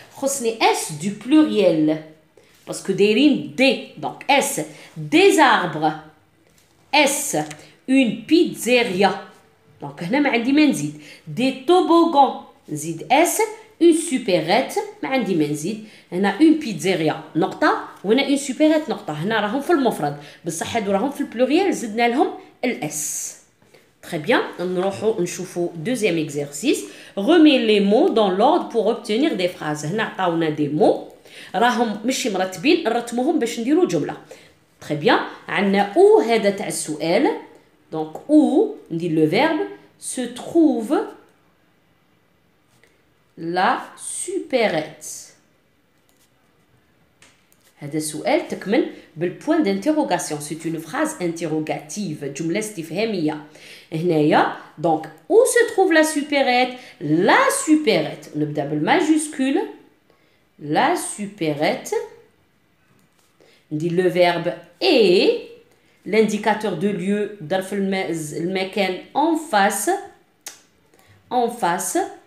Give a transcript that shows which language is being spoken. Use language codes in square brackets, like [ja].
[fr] Khosni s du pluriel parce que dayrin des. Donc s des arbres. S une pizzeria. [ar] Donc hna ma عندي ma nzid. Des toboggans. Zid s une supérette, ma عندي منزيد. هنا une pizzeria نقطه وهنا une supérette نقطه. هنا راهم في المفرد بصح هادو راهم في البلوريال زدنا لهم الاس. [fr] Très bien. [ar] نروحو نشوفو [fr] deuxième exercice. Remets les mots dans l'ordre pour obtenir des phrases. [ar] هنا عطاونا des mots راهم ماشي مرتبين, نرتموهم باش نديرو جمله. [fr] Très bien. [ar] عندنا او هذا تاع السؤال. [fr] Donc où ندير le verbe se trouve la supérette. [ar] هذا سؤال تكمل بالبوان دانتيروغاسيون. [fr] C'est une phrase interrogative. [ar] جملة استفهامية. [fr] هنايا donc où se trouve la supérette. La supérette. [ar] نبدأ بالماجوسكول. [fr] La supérette. ندير le verbe et l'indicateur de lieu [ar] درف المكان [fr] en face. En face.